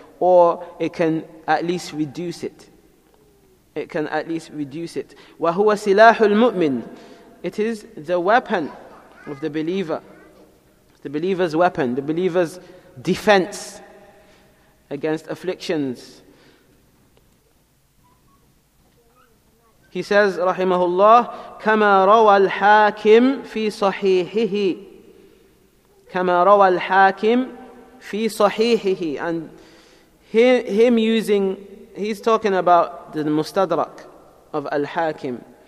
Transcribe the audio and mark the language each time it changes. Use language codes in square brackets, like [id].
[en] Or it can at least reduce it. It can at least reduce it. [ar] وَهُوَ سِلَاحُ الْمُؤْمِنِ. [en] It is the weapon of the believer. The believer's weapon, the believer's defense against afflictions. He says, [ar] rahimahullah, كَمَا رَوَى الْحَاكِمْ فِي صَحِيحِهِ. كَمَا رَوَى الْحَاكِمْ فِي صَحِيحِهِ. [en] And him using, he's talking about the Mustadrak of Al-Hakim.